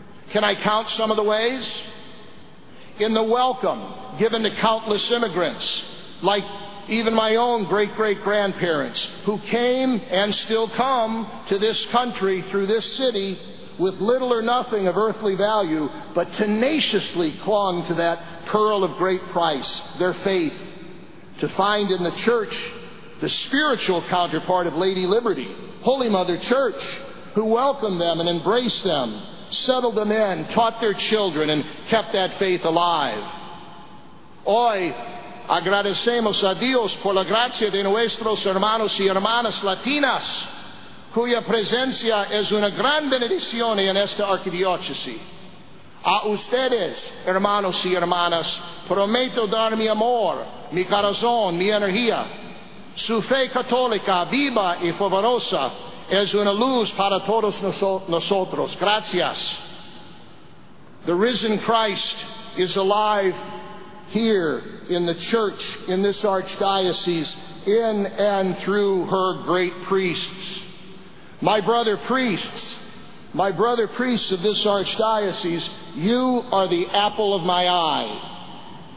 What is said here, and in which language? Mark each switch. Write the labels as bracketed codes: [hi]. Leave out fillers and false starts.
[en] Can I count some of the ways? In the welcome given to countless immigrants, like even my own great-great-grandparents, who came and still come to this country through this city with little or nothing of earthly value, but tenaciously clung to that pearl of great price, their faith, to find in the church the spiritual counterpart of Lady Liberty, Holy Mother Church, who welcomed them and embraced them, settled them in, taught their children, and kept that faith alive. [es] Hoy, agradecemos a Dios por la gracia de nuestros hermanos y hermanas latinas, cuya presencia es una gran bendición en esta arquidiócesis. A ustedes, hermanos y hermanas, prometo dar mi amor, mi corazón, mi energía. Su fe católica, viva y fervorosa, es una luz para todos nosotros. Gracias. [en] The risen Christ is alive here in the church, in this archdiocese, in and through her great priests. My brother priests of this archdiocese, you are the apple of my eye.